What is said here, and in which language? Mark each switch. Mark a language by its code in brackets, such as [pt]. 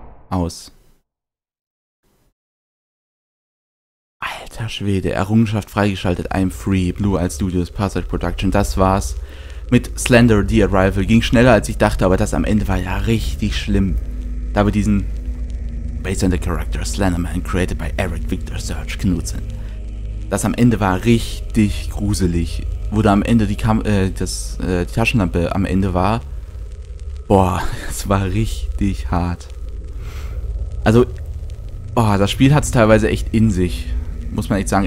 [de] Aus. Alter Schwede, Errungenschaft freigeschaltet. [en] I'm free. [de] Blue Eye Studios, Passage Production. Das war's. Mit Slender The Arrival. Ging schneller, als ich dachte, aber das am Ende war ja richtig schlimm. Da wir diesen... [en] Based on the character Slenderman, created by Eric Victor Serge Knudsen. [de] Das am Ende war richtig gruselig. Wo da am Ende die Taschenlampe am Ende war. Boah, es war richtig hart. Also, boah, das Spiel hat es teilweise echt in sich. Muss man echt sagen.